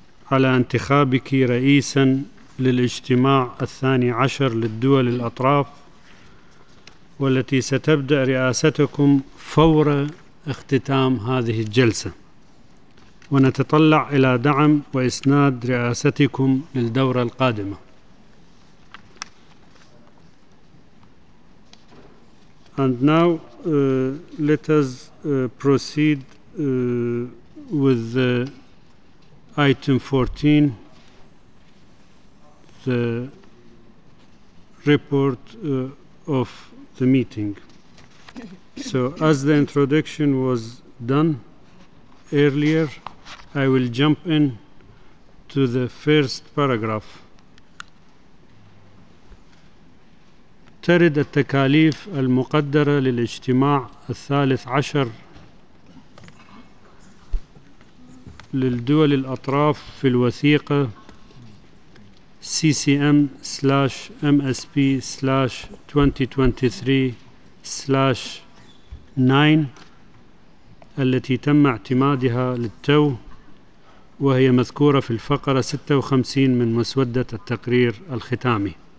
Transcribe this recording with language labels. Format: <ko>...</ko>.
<ar>على انتخابك رئيسا للاجتماع 12 للدول الأطراف والتي ستبدأ رئاستكم فور اختتام هذه الجلسة، ونتطلع إلى دعم وإسناد رئاستكم للدورة القادمة.</ar> <en>And now let us proceed with item 14, the report of the meeting. So as the introduction was done earlier, I will jump in to the first paragraph.</en> <ar>ترد التكاليف المقدرة للاجتماع 13 للدول الأطراف في الوثيقة CCM/MSP/2023/9 التي تم اعتمادها للتو، وهي مذكورة في الفقرة 56 من مسودة التقرير الختامي.</ar>